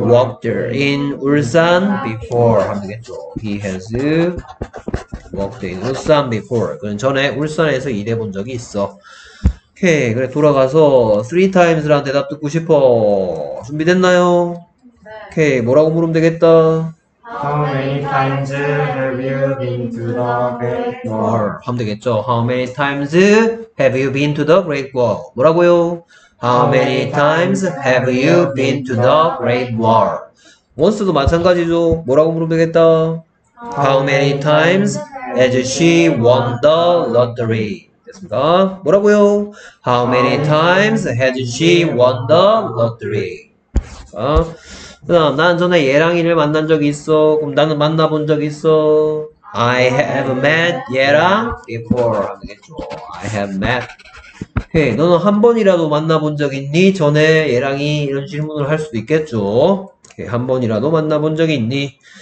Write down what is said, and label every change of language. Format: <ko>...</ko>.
<en>Walked in Ulsan before</en> <ko>하면 되겠죠.</ko> <en>He has walked in Ulsan before.</en> <ko>그는 전에 울산에서 일해본 적이 있어. 오케이, 그래 돌아가서 three times라는 대답 듣고 싶어. 준비됐나요? 오케이, 뭐라고 물으면 되겠다.</ko> <en>How many times have you been to the Great Wall?</en> <ko>하면 되겠죠.</ko> <en>How many times have you been to the Great Wall?</en> <ko>뭐라고요?</ko> <en>How many times have you been to the Great Wall?</en> <ko>Once도 마찬가지죠. 뭐라고 물으면 되겠다?</ko> <en>How many times has she won the lottery?</en> <ko>됐습니까? 뭐라고요?</ko> <en>How many times has she won the lottery?</en> <ko>그럼 난 전에 예랑이를 만난 적이 있어. 그럼 나는 만나본 적 있어.</ko> <en>I have met 예랑 before.</en> <ko>하겠죠.</ko> <en>I have met.</en> <ko>오케이, 너는 한 번이라도 만나본 적 있니? 전에 얘랑이 이런 질문을 할 수도 있겠죠. 오케이, 한 번이라도 만나본 적 있니?</ko>